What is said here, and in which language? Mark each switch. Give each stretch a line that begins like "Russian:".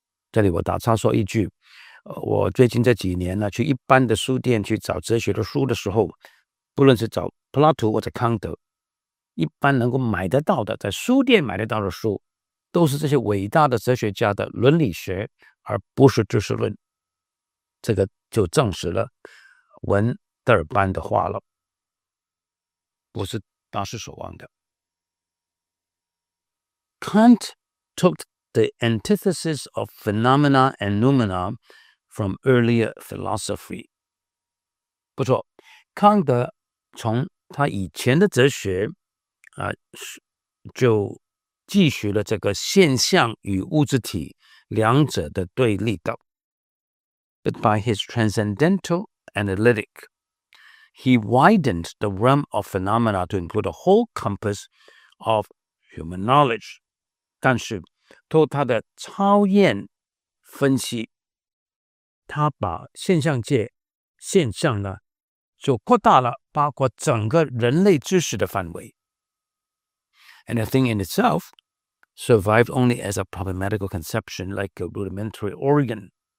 Chinese: 这里我打岔说一句，我最近这几年呢去一般的书店去找哲学的书的时候，不论是找柏拉图或者康德，一般能够买得到的，在书店买得到的书都是这些伟大的哲学家的伦理学而不是知识论，这个就证实了文德尔班的话了，不是大失所望的。
English: Kant took the antithesis of phenomena and noumena from earlier philosophy.
Chinese: 不错，康德从他以前的哲学啊，就继续了这个现象与物质体两者的对立的。
English: But by his transcendental analytic,He widened the realm of phenomena to include a whole compass of human knowledge.
Chinese: 但是，透过他的超验分析，他把现象界现象呢，就扩大了，包括整个人类知识的范围。
English: And a thing in itself survived only as a problematical conception, like a rudimentary organ.